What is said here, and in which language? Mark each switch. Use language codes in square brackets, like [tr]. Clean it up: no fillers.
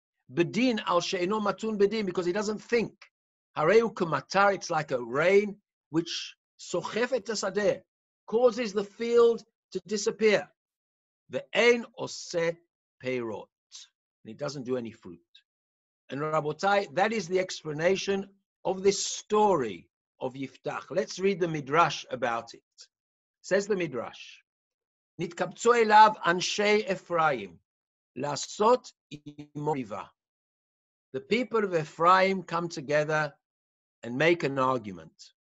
[en] Bedin al she'eno matun bedin, because he doesn't think. Hareu k'matar, it's like a rain which sochef et hasadeh, causes the field to disappear. Ve'ein oseh peirot, and he doesn't do any fruit. And Rabotai, that is the explanation of this story of Yiftach. Let's read the Midrash about it. [he] Says the Midrash, נתקבצו אליו אנשי אפרים לעשות עם ריבה. [en] The people of Ephraim come together and make an argument.